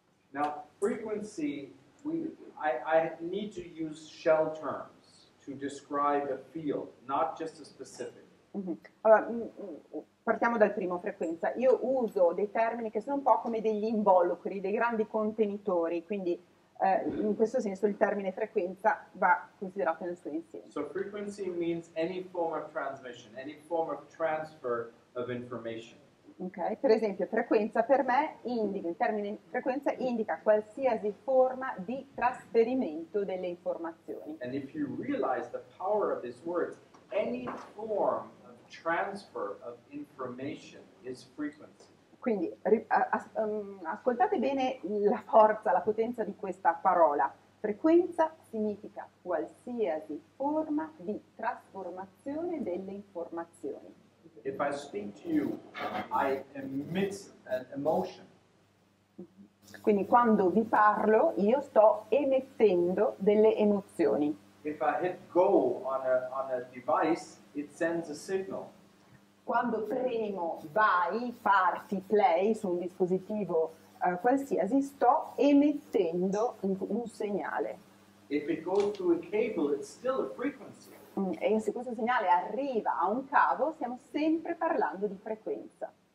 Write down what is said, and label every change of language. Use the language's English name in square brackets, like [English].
[English] Now, frequency, I need to use shell terms to describe a field, not just a specific. [Italian] Allora, partiamo dal primo, frequenza. Io uso dei termini che sono un po' come degli involucri, dei grandi contenitori, quindi in questo senso il termine frequenza va considerato nel suo insieme. [English] So frequency means any form of transmission, any form of transfer of information. [Italian] Ok, per esempio, frequenza per me indica, il termine frequenza indica qualsiasi forma di trasferimento delle informazioni. [English] And if you realize the power of these words, any form of transfer of information is frequency. [Italian] Quindi ascoltate bene la forza, la potenza di questa parola. Frequenza significa qualsiasi forma di trasformazione delle informazioni. [English] If I speak to you, I emit an emotion. [Italian] Quindi quando vi parlo io sto emettendo delle emozioni. [English] If I hit go on a device, it sends a signal. [Italian] Quando premo vai, farti, play su un dispositivo qualsiasi, sto emettendo un segnale. [English] If it goes through a cable, it's still a frequency. [Italian] E se questo segnale arriva a un cavo, stiamo sempre parlando di frequenza.